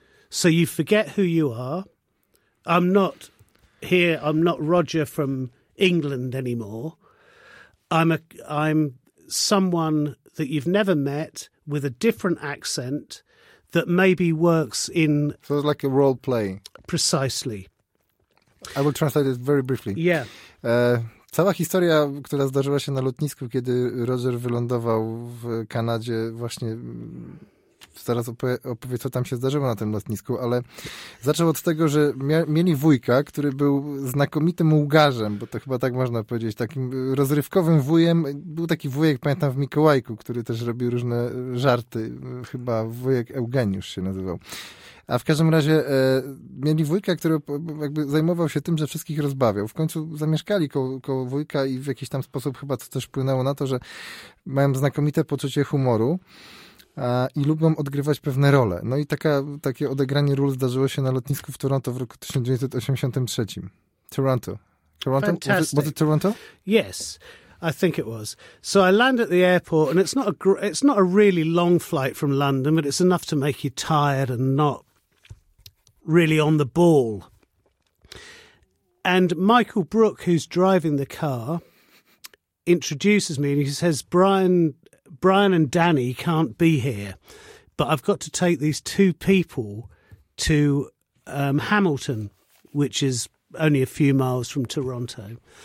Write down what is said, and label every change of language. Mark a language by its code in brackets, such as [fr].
[en] So you forget who you are. I'm not Roger from England anymore. I'm someone that you've never met with a different accent that maybe works in... So it's like a role play. Precisely. I will translate it very briefly. Yeah. [pl] Cała historia, która zdarzyła się na lotnisku, kiedy Roger wylądował w Kanadzie właśnie... Zaraz opowie, co tam się zdarzyło na tym lotnisku, ale zaczął od tego, że mieli wujka, który był znakomitym łgarzem, bo to chyba tak można powiedzieć, takim rozrywkowym wujem. Był taki wujek, pamiętam, w Mikołajku, który też robił różne żarty. Chyba wujek Eugeniusz się nazywał. A w każdym razie mieli wujka, który jakby zajmował się tym, że wszystkich rozbawiał. W końcu zamieszkali koło wujka i w jakiś tam sposób chyba to też wpłynęło na to, że mają znakomite poczucie humoru. I lubią odgrywać pewne role. No i takie odegranie ról zdarzyło się na lotnisku w Toronto w roku 1983. [en] Toronto. Was it Toronto? Yes, I think it was. So I land at the airport, and it's not a really long flight from London, but it's enough to make you tired and not really on the ball. And Michael Brook, who's driving the car, introduces me, and he says, Brian and Danny can't be here, but I've got to take these two people to Hamilton, which is only a few miles from Toronto.